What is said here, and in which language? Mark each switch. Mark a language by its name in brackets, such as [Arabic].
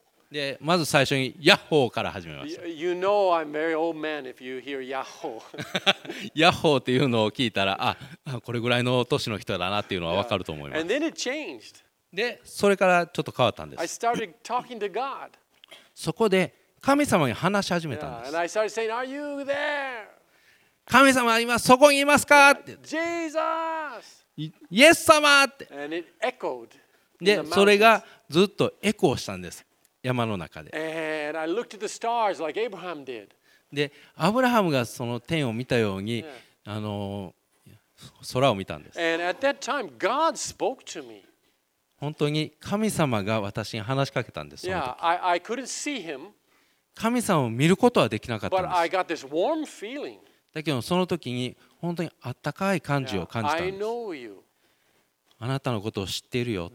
[Japanese] でまず最初にヤッホーから始めました。 [English] You know I'm very old man if you hear ヤッホー。 [Japanese] ヤッホーっていうのを聞いたら、あ、これぐらいの年の人だなっていうのは分かると思います。 [English] And then it changed. [Japanese] でそれからちょっと変わったんです。 [English] I started talking to God. [Japanese] そこで神様に話し始めたんです。 [English] And I started saying, Are you there? [Japanese] 神様今そこにいますかって。 [English] Jesus! [Japanese] イエス様って。 [English] And it echoed. [Japanese] でそれがずっとエコーしたんです、山の中で。 [English] And I looked at the stars like Abraham did. [Japanese] で、アブラハムがその天を見たように、yeah. 空を見たんです。 [English] And at that time, God spoke to me. [Japanese] 本当に神様が私に話しかけたんです。 [English] yeah, I couldn't see him. [Japanese] 神様を見ることはできなかったんです。 [English] But I got this warm feeling. [Japanese] だけどその時に本当にあったかい感じを感じたんです。 [English] yeah, I know you. [Japanese] あなたのことを知っているよ。